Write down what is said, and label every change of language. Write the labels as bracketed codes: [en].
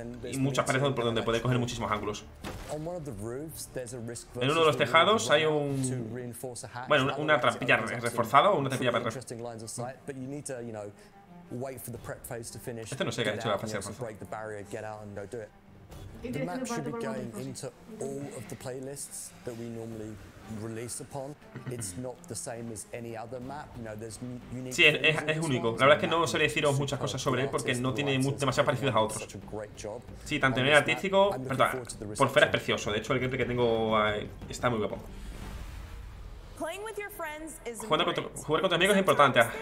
[es] Y muchas paredes por donde puedes coger muchísimos ángulos. En uno de los tejados hay un. Bueno, una trampilla reforzada o una trampilla para reforzar. Este no sé qué ha hecho la fase de reforzo. [en] The map should be going into all of the playlists that we normally release upon. It's not the same as any other map. You know, there's unique. [es] Sí, es único. La verdad es que no sabría deciros muchas cosas sobre él porque no tiene demasiado parecido a otros. Sí, tanto en el artístico, perdón, por fuera es precioso. De hecho, el gameplay que tengo está muy guapo. Jugar con tus amigos es importante.